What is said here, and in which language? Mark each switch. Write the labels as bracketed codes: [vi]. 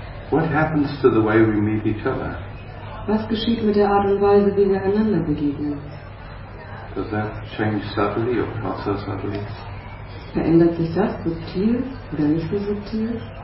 [en] What happens to the way we meet each other? [de] Was geschieht mit der Art und Weise, wie wir einander begegnen? [en] Does that change subtly or not so subtly? [de] Verändert sich das subtil oder nicht so subtil?